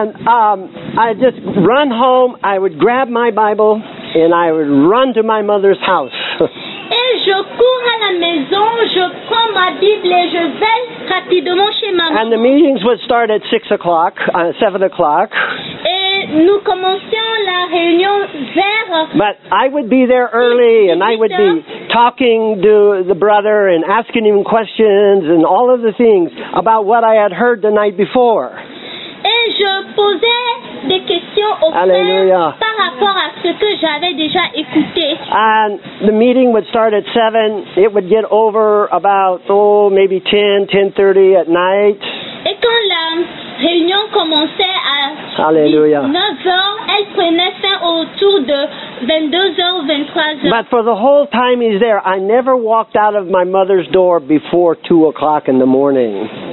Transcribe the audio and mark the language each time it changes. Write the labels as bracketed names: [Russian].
[English] And I just run home, I would grab my Bible and I would run to my mother's house. [French] Et je cours à la maison, je prends ma Bible et je vais rapidement chez ma mère. [English] And the meetings would start at 6:00, 7:00. [French] Nous commencions la réunion vers. [English] But I would be there early, and I would be talking to the brother and asking him questions and all of the things about what I had heard the night before. [French] Et je posais des questions au frère. Alléluia. Par rapport à ce que j'avais déjà écouté. [English] And the meeting would start at 7:00. It would get over about maybe 10:30 at night. [French] Et quand la réunion commençait à 9:00, elle prenait fin autour de 22:00, 23:00. [English] But for the whole time he's there, I never walked out of my mother's door before 2:00 in the morning.